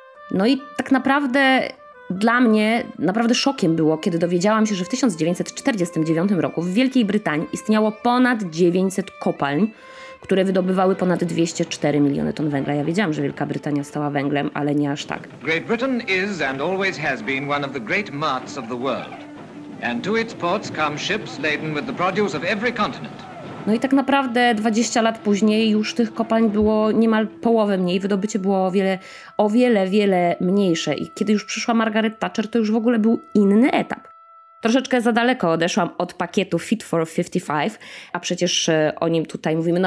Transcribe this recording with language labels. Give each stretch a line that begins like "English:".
Polish: No i tak naprawdę dla mnie naprawdę szokiem było, kiedy dowiedziałam się, że w 1949 roku w Wielkiej Brytanii istniało ponad 900 kopalń, które wydobywały ponad 204 miliony ton węgla. Ja wiedziałam, że Wielka Brytania stała węglem, ale nie aż tak.
English: Great Britain is and always has been one of the great marts of the world. And to its ports come ships laden with the produce of every continent.
Polish: No i tak naprawdę 20 lat później już tych kopalń było niemal połowę mniej, wydobycie było o wiele mniejsze. I kiedy już przyszła Margaret Thatcher, to już w ogóle był inny etap. Troszeczkę za daleko odeszłam od pakietu Fit for 55, a przecież o nim tutaj mówimy.